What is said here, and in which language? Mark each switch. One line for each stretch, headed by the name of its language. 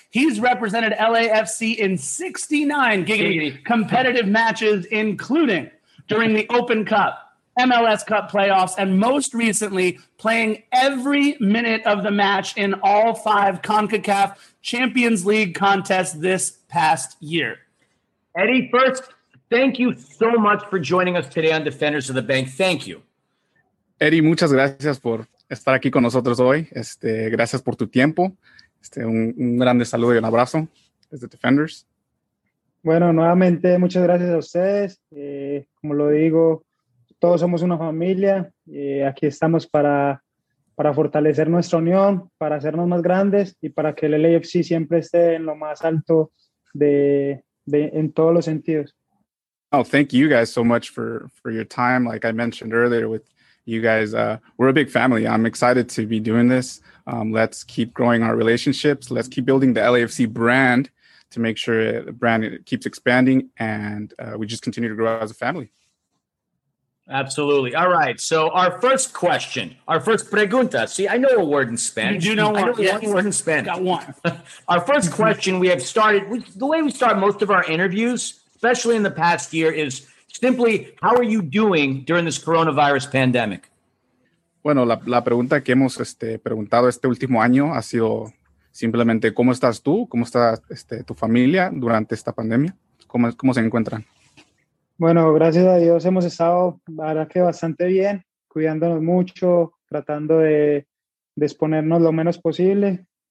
English: He's represented LAFC in 69 giggity competitive matches, including during the Open Cup, MLS Cup playoffs, and most recently playing every minute of the match in all 5 CONCACAF Champions League contests this past year. Eddie, first, thank you so much for joining us today on Defenders of the Bank. Thank you.
Spanish: Eddie, muchas gracias por estar aquí con nosotros hoy. Gracias por tu tiempo. Un grande saludo y un abrazo desde Defenders. Bueno, nuevamente, muchas gracias a ustedes. Como lo digo, todos somos una familia. Aquí estamos para fortalecer nuestra unión, para hacernos más grandes y para que el LAFC siempre esté en lo más alto de en todos los sentidos.
English: Oh, thank you guys so much for your time. Like I mentioned earlier with you guys, we're a big family. I'm excited to be doing this. Let's keep growing our relationships. Let's keep building the LAFC brand to make sure the brand keeps expanding and we just continue to grow as a family. Absolutely. All right. So our first question, our first pregunta. See, I know a word in Spanish. You do know one. I know one word in Spanish. Got one. Our first question we have started, the way we start most of our interviews, especially in the past year, is simply, how are you doing during this coronavirus pandemic?
Spanish: Bueno, la pregunta que hemos preguntado este último año ha sido simplemente, ¿cómo estás tú? ¿Cómo está tu familia durante esta pandemia? ¿Cómo se encuentran? Bueno, gracias a Dios hemos estado, la verdad que bastante bien, cuidándonos mucho, tratando de exponernos lo menos posible.